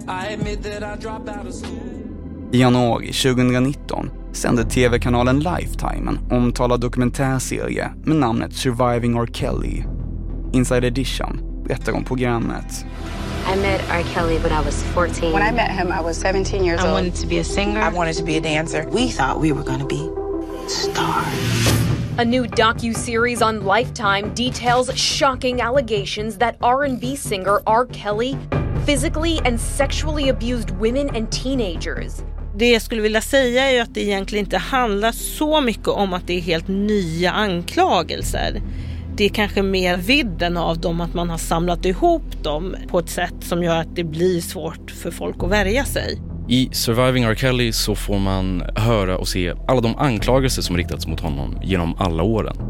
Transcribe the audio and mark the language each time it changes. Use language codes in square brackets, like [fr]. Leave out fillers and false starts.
[en] I admit that I dropped out of school. [sv] I januari 2019 sände tv-kanalen Lifetime en omtalad dokumentärserie med namnet Surviving R. Kelly. Inside Edition berättar om programmet. [en] I met R. Kelly when I was 14. When I met him, I was 17 years old. I wanted to be a singer. I wanted to be a dancer. We thought we were gonna be stars. A new docu-series on Lifetime details shocking allegations that R&B singer R. Kelly physically and sexually abused women and teenagers. [sv] Det jag skulle vilja säga är att det egentligen inte handlar så mycket om att det är helt nya anklagelser. Det är kanske mer vidden av dem, att man har samlat ihop dem på ett sätt som gör att det blir svårt för folk att värja sig. I Surviving R. Kelly så får man höra och se alla de anklagelser som riktats mot honom genom alla åren.